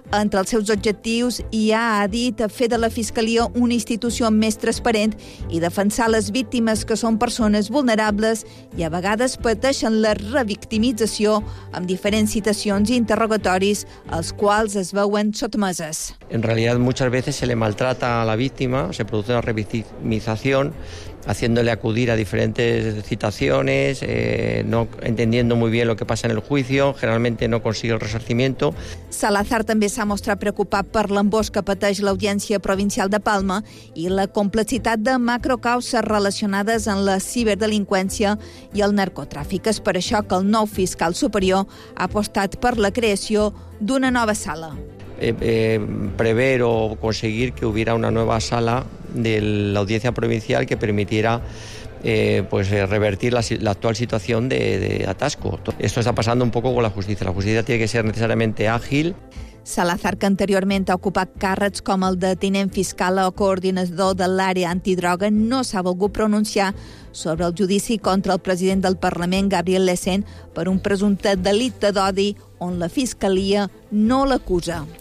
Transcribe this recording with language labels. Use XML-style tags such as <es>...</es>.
<ca>Entre els seus objectius hi ha, ha dit, fer de la Fiscalia una institució més transparent i defensar les víctimes, que són persones vulnerables i a vegades pateixen la revictimització amb diferents citacions i interrogatoris als quals es veuen sotmeses. En realitat,</ca> <es>muchas veces se le maltrata a la víctima, se produce una revictimización, haciéndole acudir a diferentes citaciones, no entendiendo muy bien lo que pasa en el juicio, generalmente no consigue el resarcimiento.</es> <ca>Salazar també s'ha mostrat preocupat per l'embòs que pateix l'Audiència Provincial de Palma i la complexitat de macrocauses relacionades amb la ciberdelinqüència i el narcotràfic. És per això que el nou fiscal superior ha apostat per la creació d'una nova sala.</ca> <es>Prever o conseguir que hubiera una nueva sala de la Audiencia Provincial que permitiera revertir la actual situación de atasco. Esto está pasando un poco con la justicia. La justicia tiene que ser necesariamente ágil.</es> <ca>Salazar, que anteriorment ha ocupat càrrecs com el de tinent fiscal o coordinador de l'àrea antidroga, no s'ha volgut pronunciar sobre el judici contra el president del Parlament, Gabriel Lecén, per un presumpte delicte d'odi on la Fiscalia no l'acusa.</ca>